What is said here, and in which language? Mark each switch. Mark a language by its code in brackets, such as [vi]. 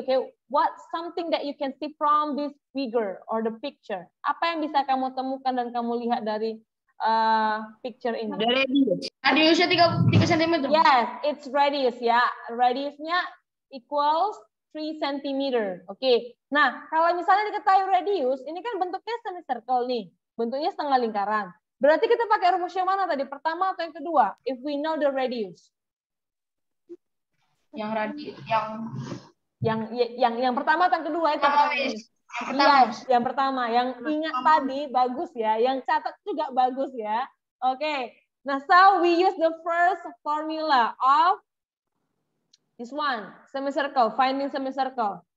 [en] Okay, what something that you can see from this figure or the picture? [id] Apa yang bisa kamu temukan dan kamu lihat dari picture ini? Radiusnya 3 cm. [en] Yes, it's radius ya. Radiusnya equals 3 cm. Oke. Okay. [id] Nah, kalau misalnya diketahui radius, ini kan bentuknya semicircle nih. Bentuknya setengah lingkaran. Berarti kita pakai rumus yang mana tadi? Pertama atau yang kedua? [en] If we know the radius. [id] Yang radius yang yang pertama atau kedua itu pertama. Ini. Yang pertama, yang ingat tadi bagus ya, yang catat juga bagus ya. Oke. [en] Nah, so we use the first formula of this one, semicircle, finding semicircle.